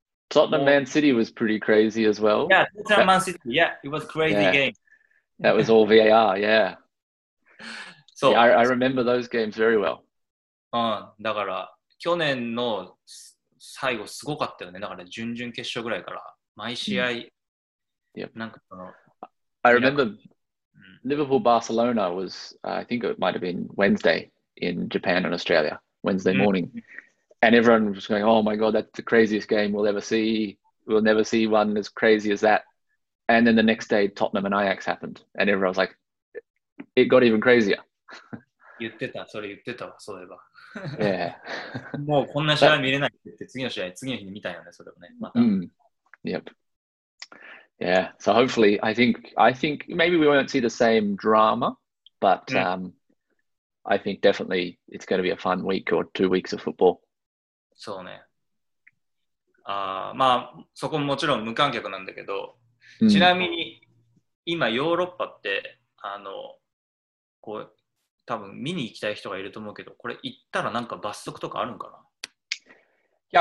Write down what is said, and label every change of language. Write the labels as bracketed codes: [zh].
[en] Tottenham Man City was pretty crazy as well. Yeah, Tottenham Man City. Yeah, it was crazy game. That was all VAR, yeah. So, yeah, I remember those games very well. [ja] だから去年の最後すごかったよね。だから準々決勝ぐらいから毎試合、なんかその、 [en] I remember Liverpool Barcelona was, I think it might have been Wednesday in Japan and Australia, Wednesday morning. And everyone was going, oh my god, that's the craziest game we'll ever see. We'll never see one as crazy as that. And then the next day, Tottenham and Ajax happened. And everyone was like, it got even crazier. [ja] 言ってた、それ言ってたわ、そういえば。 [en] Yeah. [ja] もうこんな試合見れないって言って、次の試合、次の日に見たよね、それをね。また。 [en] Yep. Yeah, so hopefully, I think maybe we won't see the same drama, but I think definitely it's going to be a fun week or 2 weeks of football. [ja] そうね。まあ、そこももちろん無観客なんだけど、ちなみに、今ヨーロッパって、こう、多分見に行きたい人がいると思うけど、これ行ったらなんか罰則とかあるんかな？